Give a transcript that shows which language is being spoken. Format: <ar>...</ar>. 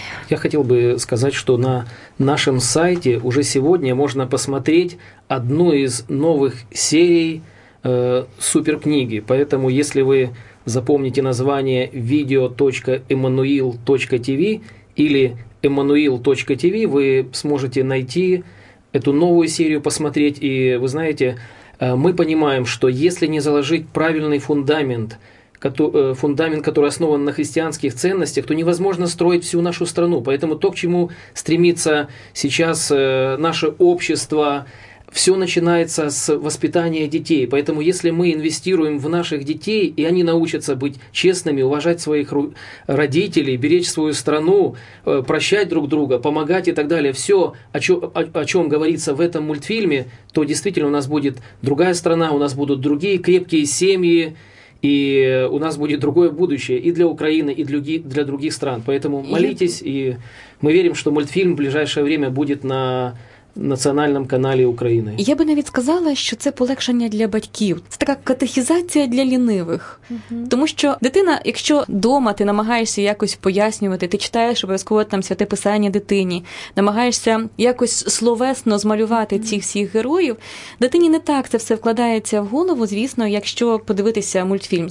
<ru>Я хотел бы сказать, что на нашем сайте уже сегодня можно посмотреть одну из новых серий суперкниги. Поэтому, если вы запомните название video.emmanuel.tv или emmanuel.tv, вы сможете найти эту новую серию, посмотреть. И вы знаете, мы понимаем, что если не заложить правильный фундамент, который основан на христианских ценностях, то невозможно строить всю нашу страну. Поэтому то, к чему стремится сейчас наше общество, все начинается с воспитания детей. Поэтому если мы инвестируем в наших детей, и они научатся быть честными, уважать своих родителей, беречь свою страну, прощать друг друга, помогать и так далее, все, о чем говорится в этом мультфильме, то действительно у нас будет другая страна, у нас будут другие крепкие семьи,</ru> <uk>і у нас буде друге</uk> <ru>будущее</ru> <uk>і для України,</uk> <ru>і для других стран. Поэтому молитесь,</ru> <uk>і ми віримо, що мультфільм</uk> <ru>в ближайшее время</ru> <uk>буде на національному каналі України. Я би навіть сказала, що це полегшення для батьків. Це така катехізація для лінивих. Угу. Тому що дитина, якщо дома ти намагаєшся якось пояснювати, ти читаєш обов'язково там Святе Писання дитині, намагаєшся якось словесно змалювати ці всіх героїв, дитині не так це все вкладається в голову, звісно, якщо подивитися мультфільм.</uk>